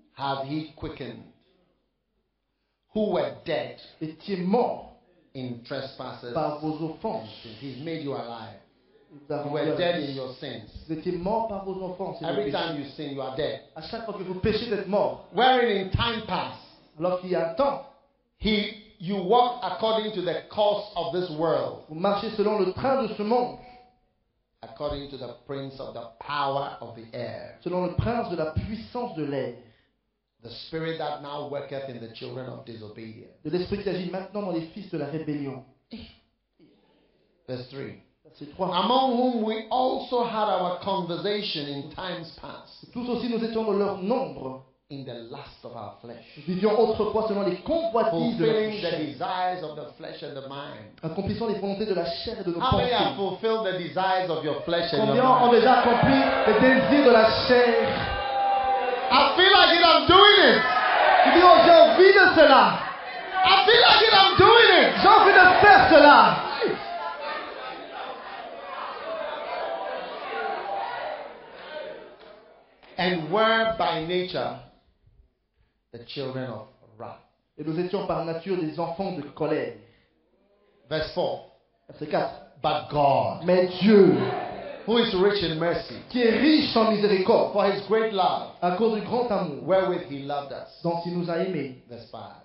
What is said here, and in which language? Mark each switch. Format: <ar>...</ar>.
<en>have he quickened, who were dead,</en> <fr>étiez morts,</fr> <en>in trespasses,</en> <fr>par vos offenses.</fr> <en>He's made you alive. You were dead in your sins.</en> <fr>Vous étiez morts par vos offenses.</fr> <en>Every time you sin, you are dead.</en> <fr>À chaque fois que vous péchez, vous êtes mort.</fr> <en>Wherein in time past,</en> <fr>alors qu'il y a un temps,</fr> <en>he, you walk according to the course of this world.</en> <fr>Vous marchez selon le train de ce monde.</fr> <en>According to the prince of the power of the air,</en> <fr>selon le prince de la puissance de l'air,</fr> <en>the spirit that now worketh in the children of disobedience,</en> <fr>de l'esprit qui agit maintenant dans les fils de la rébellion.</fr> <en>Verse 3.</en> <fr>Verset 3.</fr> <en>Among whom we also had our conversation in times past,</en> <fr>tous aussi nous étions dans leur nombre,</fr> <en>in the lust of our flesh,</en> <fr>vivions autrefois selon les convoitises de la chair,</fr> <en>fulfilling the desires of the flesh and the mind,</en> <fr>accomplissant les volontés de la chair et de nos pensées.</fr> <en>How many have fulfilled the desires of your flesh and your mind?</en> <fr>Combien ont déjà accompli les désirs de la chair?</fr> <en>I feel like it, I'm doing it.</en> <fr>Tu dis, oh, j'ai envie de cela.</fr> <en>I feel like it, I'm doing it.</en> <fr>J'ai envie de faire cela.</fr> <en>And were by nature the children of wrath.</en> <fr>Et nous étions par nature des enfants de colère.</fr> <en>Verse 4.</en> <fr>Verset 4.</fr> <en>But God,</en> <fr>mais Dieu,</fr> <en>who is rich in mercy,</en> <fr>qui est riche en miséricorde,</fr> <en>for his great love,</en> <fr>à cause du grand amour,</fr> <en>wherewith he loved us,</en> <fr>dont il nous a aimés.</fr> <en>Verse 5.</en>